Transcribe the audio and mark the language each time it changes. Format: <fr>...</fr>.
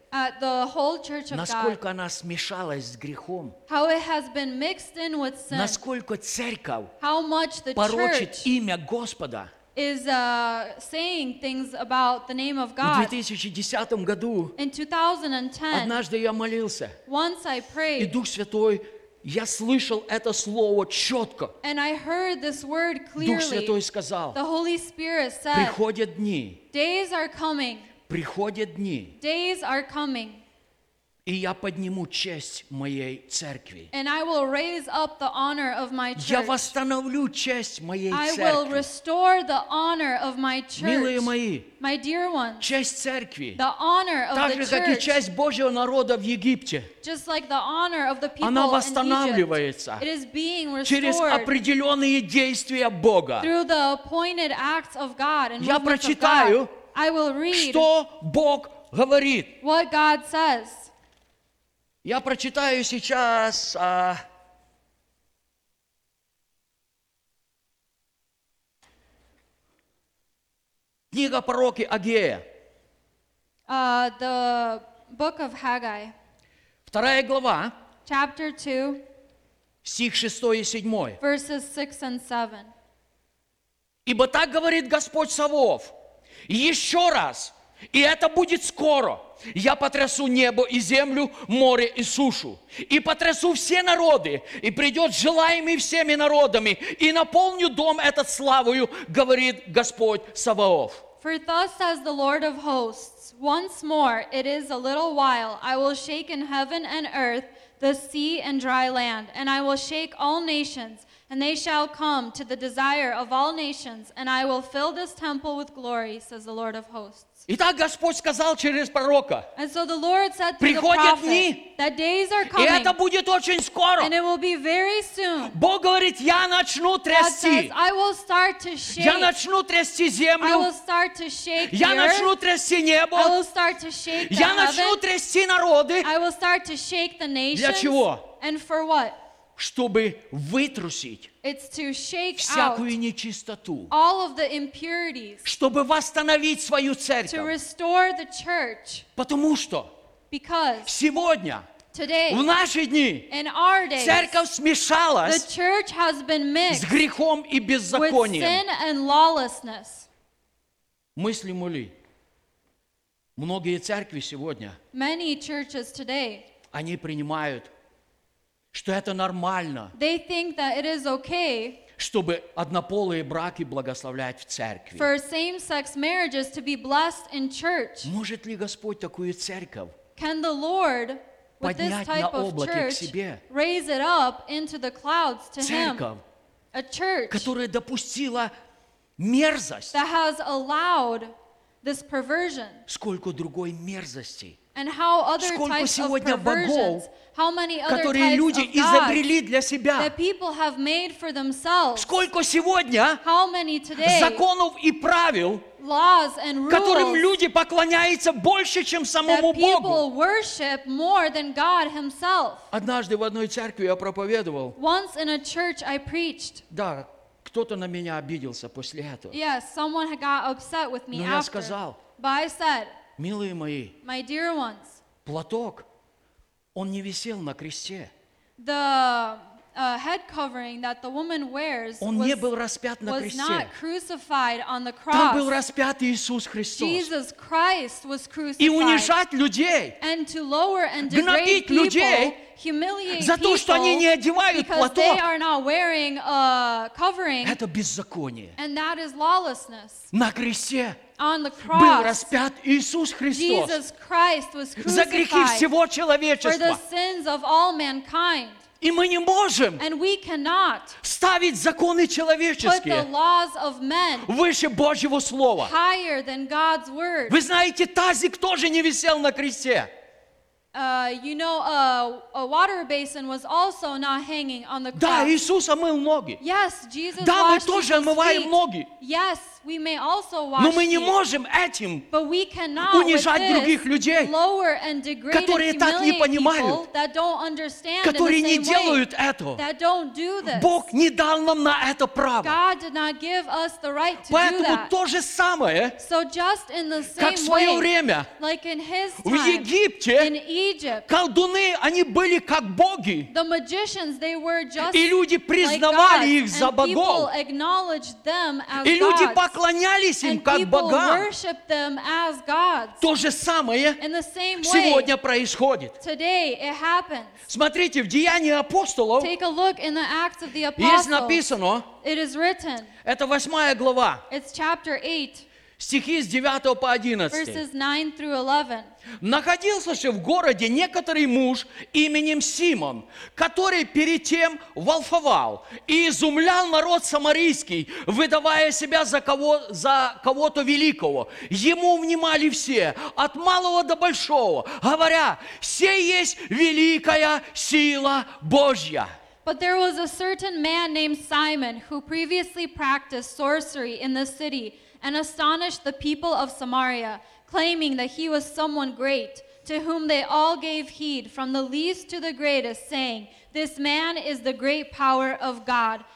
<en>at the whole church of</en> <ru>насколько</ru> <en>God,</en> <ru>она смешалась с грехом,</ru> <en>how it has been mixed in with sin,</en> <ru>насколько церковь</ru> <en>how much the</en> <ru>порочит имя Господа,</ru> <en>is saying things about the name of God.</en> <ru>В 2010 году,</ru> <en>in 2010,</en> <ru>однажды я молился,</ru> <en>once I prayed,</en> <ru>и Дух Святой, я слышал это слово четко.</ru> <en>And I heard this word clearly.</en> <ru>Дух Святой сказал,</ru> <en>the Holy Spirit said,</en> <ru>приходят дни,</ru> <en>days are coming,</en> <ru>приходят дни,</ru> <en>days are coming,</en> <ru>и я подниму честь моей церкви.</ru> <en>And I will raise up the honor of my church.</en> <ru>Я восстановлю честь моей церкви.</ru> <en>I will restore the honor of my church.</en> <ru>Милые мои,</ru> <en>my dear ones,</en> <ru>честь церкви,</ru> <en>the honor of</en> <ru>так же,</ru> <en>the church,</en> <ru>как и честь Божьего народа в Египте,</ru> <en>just like the honor of the people</en> <ru>она восстанавливается</ru> <en>in Egypt, it is being restored</en> <ru>через определенные действия Бога.</ru> <en>Through the appointed acts of God and</en> <ru>я прочитаю,</ru> <en>of God, I will read</en> <ru>что Бог говорит.</ru> <en>What God says.</en> <ru>Я прочитаю сейчас книга пророка Агея.</ru> <en>The book of Haggai.</en> <ru>Вторая глава.</ru> <en>Chapter 2.</en> <ru>Стих 6 и 7.</ru> <en>Verses 6 and 7.</en> <ru>Ибо так говорит Господь Савов. Еще раз. И это будет скоро. Я потрясу небо и землю, море и сушу. И потрясу все народы, и придет желаемый всеми народами, и наполню дом этот славою, говорит Господь Саваоф.</ru> <en>For thus says the Lord of hosts, once more, it is a little while, I will shake in heaven and earth, the sea and dry land, and I will shake all nations, and they shall come to the desire of all nations, and I will fill this temple with glory, says the Lord of hosts.</en> <ru>Итак, Господь сказал через пророка,</ru> <en>and so the Lord said to</en> <ru>приходят</ru> <en>the prophet,</en> <ru>дни,</ru> <en>that days are coming,</en> <ru>и это будет очень скоро.</ru> <en>And it will be very soon.</en> <ru>Бог говорит, я начну трясти.</ru> <en>God says, I will start to shake.</en> <ru>Я начну трясти землю.</ru> <en>I will start to shake</en> <ru>я</ru> <en>the</en> <ru>начну</ru> <en>earth.</en> <ru>Трясти небо.</ru> <en>I will start to shake the</en> <ru>я</ru> <en>heaven.</en> <ru>Начну трясти народы.</ru> <en>I will start to shake the nations.</en> <ru>Для чего?</ru> <en>And for what?</en> <ru>Чтобы вытрусить</ru> <en>it's to shake</en> <ru>всякую</ru> <en>out</en> <ru>нечистоту.</ru> <en>All of the impurities.</en> <ru>Чтобы восстановить свою церковь.</ru> <en>To restore the church.</en> <ru>Потому что</ru> <en>because</en> <ru>сегодня</ru> <en>today,</en> <ru>в наши дни</ru> <en>in our days,</en> <ru>церковь смешалась</ru> <en>the church has been mixed</en> <ru>с грехом и беззаконием.</ru> <en>With sin and lawlessness.</en> <ru>Мыслимо ли? Многие церкви сегодня</ru> <en>many churches today,</en> <ru>они принимают что это нормально,</ru> <en>they think that it is okay,</en> <ru>чтобы однополые браки благословлять в церкви.</ru> <en>For same-sex marriages to be blessed in church.</en> <ru>Может ли Господь такую церковь</ru> <en>can the Lord,</en> <ru>поднять</ru> <en>with this type</en> <ru>на облаке</ru> <en>church,</en> <ru>к себе?</ru> <en>Raise it up into the clouds to</en> <ru>церковь,</ru> <en>him, a church,</en> <ru>которая допустила мерзость,</ru> <en>that has allowed this perversion.</en> <ru>Сколько другой мерзости.</ru> <en>And how other</en> <ru>Сколько</ru> <en>types</en> <ru>сегодня</ru> <en>of perversions,</en> <ru>богов,</ru> <en>how many other</en> <ru>которые люди</ru> <en>types of</en> <ru>изобрели</ru> <en>gods</en> <ru>для себя.</ru> <en>That people have made for themselves.</en> <ru>Сколько сегодня</ru> <en>how many today</en> <ru>законов и правил,</ru> <en>laws and rules</en> <ru>которым люди поклоняются больше, чем самому</ru> <en>that people</en> <ru>Богу.</ru> <en>Worship more than God himself.</en> <ru>Однажды в одной церкви я проповедовал.</ru> <en>Once in a church I preached.</en> <ru>Да, кто-то на меня обиделся после этого.</ru> <en>Yes, someone got upset with me</en> <ru>Но</ru> <en>after.</en> <ru>Я сказал,</ru> <en>but I said,</en> <ru>Милые мои,</ru> <en>My dear ones,</en> <ru>платок, он не висел на кресте.</ru> <en>The head covering that the woman wears</en> <ru>он</ru> <en>was,</en> <ru>не был распят на</ru> <en>was</en> <ru>кресте.</ru> <en>Not crucified on the cross.</en> <ru>Там был распят Иисус Христос.</ru> <en>Jesus Christ was crucified.</en> <ru>И унижать людей,</ru> <en>and to lower and degrade</en> <ru>гнобить людей,</ru> <en>people, humiliate</en> <ru>за то,</ru> <en>people</en> <ru>что они не одевают</ru> <en>because</en> <ru>платок,</ru> <en>they are not wearing a covering,</en> <ru>это беззаконие.</ru> <en>And that is lawlessness.</en> <ru>На кресте</ru> <en>On the cross,</en> <ru>был распят Иисус Христос</ru> <en>Jesus Christ was crucified</en> <ru>за грехи всего человечества.</ru> <en>For the sins of all mankind.</en> <ru>И мы не можем ставить законы человеческие</ru> <en>put the laws of men</en> <ru>выше Божьего Слова.</ru> <en>Higher than God's word.</en> <ru>Вы знаете, тазик тоже не висел на кресте.</ru> <en>You know, a water basin was also not hanging on the cross.</en> <ru>Да, Иисус омыл ноги.</ru> <en>Yes, Jesus</en> <ru>да,</ru> <en>washed</en> <ru>мы тоже</ru> <en>his</en> <ru>омываем</ru> <en>feet.</en> <ru>Ноги.</ru> <en>Yes, we may also wash</en> <ru>Но мы не</ru> <en>feet.</en> <ru>Можем этим</ru> <en>But we cannot</en> <ru>унижать других людей,</ru> <en>lower and degrade</en> <ru>которые</ru> <en>and humiliate</en> <ru>так не понимают,</ru> <en>people that don't understand</en> <ru>которые</ru> <en>in the</en> <ru>не делают этого.</ru> <en>That don't do this.</en> <ru>Бог не дал нам на это право.</ru> <en>God did not give us the right to</en> <ru>Поэтому</ru> <en>do that.</en> <ru>То же самое,</ru> <en>so just in the same</en> <ru>как в свое</ru> <en>way,</en> <ru>время,</ru> <en>like in his time,</en> <ru>в Египте,</ru> <en>in Egypt.</en> <ru>Колдуны, они были как боги.</ru> <en>The magicians, they were just</en> <ru>и люди признавали</ru> <en>like God,</en> <ru>их за богов.</ru> <en>People acknowledged them as</en> <ru>и люди поклонялись им</ru> <en>and</en> <ru>как богам.</ru> <en>Worshiped them as gods.</en> <ru>То же самое</ru> <en>In the same way,</en> <ru>сегодня происходит.</ru> <en>Today it happens.</en> <ru>Смотрите, в Деяниях апостолов</ru> <en>Take a look in the Acts of the Apostles.</en> <ru>Есть написано,</ru> <en>it is written,</en> <ru>это 8 глава,</ru> <en>it's chapter 8,</en> <ru>стихи с 9 по 11.</ru> <en>Verses 9 through 11.</en> <ru>Находился же в городе некоторый муж именем Симон, который перед тем волфовал и изумлял народ самарийский, выдавая себя за кого-то великого. Ему внимали все, от малого до большого, говоря, «Сей есть великая сила Божья».</ru> <en>But there was a certain man named Simon who previously practiced sorcery in the city and astonished the people of Samaria, claiming that he was someone great, to whom they all gave heed, from the least to the greatest, saying, This man is the great power of God.</en>